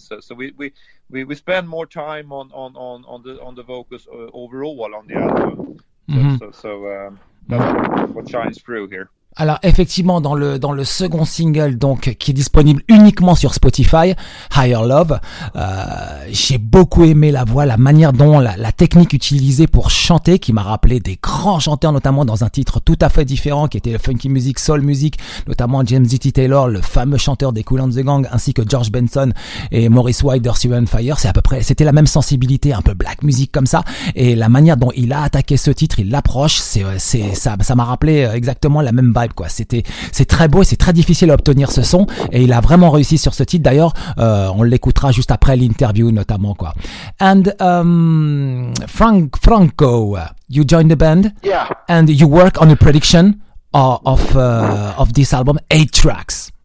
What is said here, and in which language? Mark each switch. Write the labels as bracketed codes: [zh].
[en] So we spend more time on the vocals overall on the album. So that's what shines through here. [fr] Alors effectivement dans le second single, donc qui est disponible uniquement sur Spotify, Higher Love, j'ai beaucoup aimé la voix, la manière dont la technique utilisée pour chanter, qui m'a rappelé des grands chanteurs, notamment dans un titre tout à fait différent qui était le funky music, soul music, notamment James D.T. Taylor, le fameux chanteur des Kool and the Gang, ainsi que George Benson et Maurice White, Earth, Wind and Fire. C'était la même sensibilité, un peu black music comme ça, et la manière dont il a attaqué ce titre, il l'approche, ça m'a rappelé exactement la même vibe, quoi. C'est très beau et c'est très difficile à obtenir ce son, et il a vraiment réussi sur ce titre. D'ailleurs, on l'écoutera juste après l'interview, notamment, quoi. [en] And Franco, you joined the band, yeah, and you work on a production of this album, 8 tracks.